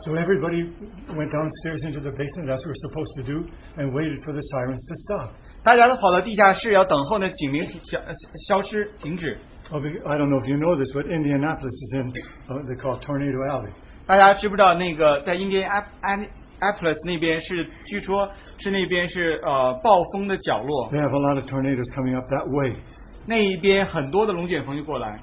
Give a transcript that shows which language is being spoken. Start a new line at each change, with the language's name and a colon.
English: So everybody went downstairs into the basement, as we were supposed to do, and waited for the sirens to stop.
Chinese: 大家都跑到地下室,要等候那警铃消失,停止。
English: I don't know if you know this, but Indianapolis is in what they call Tornado Alley.
Chinese: 大家知不知道那个在Indianapolis那边是,据说是那边是暴风的角落。
English: They have a lot of tornadoes coming up that way.
Chinese: 那一边很多的龙卷风就过来。